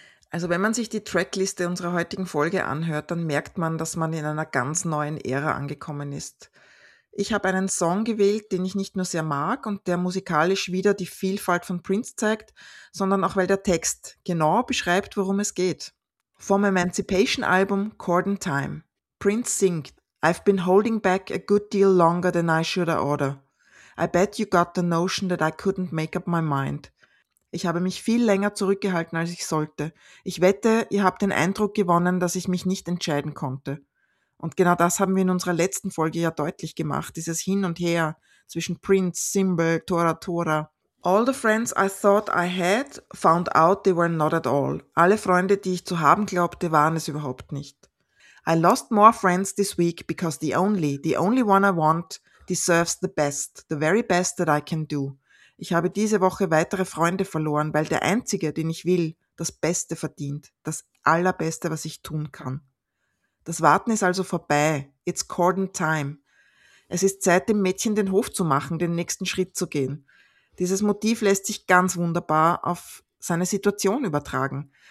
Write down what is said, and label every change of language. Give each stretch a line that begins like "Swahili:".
German: Also wenn man sich die Trackliste unserer heutigen Folge anhört, dann merkt man, dass man in einer ganz neuen Ära angekommen ist. Ich habe einen Song gewählt, den ich nicht nur sehr mag und der musikalisch wieder die Vielfalt von Prince zeigt, sondern auch weil der Text genau beschreibt, worum es geht. Vom Emancipation-Album Cord and Time. Prince singt,
English: I've been holding back a good deal longer than I should order. I bet you got the notion that I couldn't make up my mind.
German: Ich habe mich viel länger zurückgehalten, als ich sollte. Ich wette, ihr habt den Eindruck gewonnen, dass ich mich nicht entscheiden konnte. Und genau das haben wir in unserer letzten Folge ja deutlich gemacht. Dieses Hin und Her zwischen Prince, Symbol, Tora Tora.
English: All the friends I thought I had found out they were not at all.
German: Alle Freunde, die ich zu haben glaubte, waren es überhaupt nicht.
English: I lost more friends this week because the only one I want deserves the best, the very best that I can do.
German: Ich habe diese Woche weitere Freunde verloren, weil der einzige, den ich will, das Beste verdient, das Allerbeste, was ich tun kann. Das Warten ist also vorbei.
English: It's cordon time.
German: Es ist Zeit, dem Mädchen den Hof zu machen, den nächsten Schritt zu gehen. Dieses Motiv lässt sich ganz wunderbar auf seine Situation übertragen.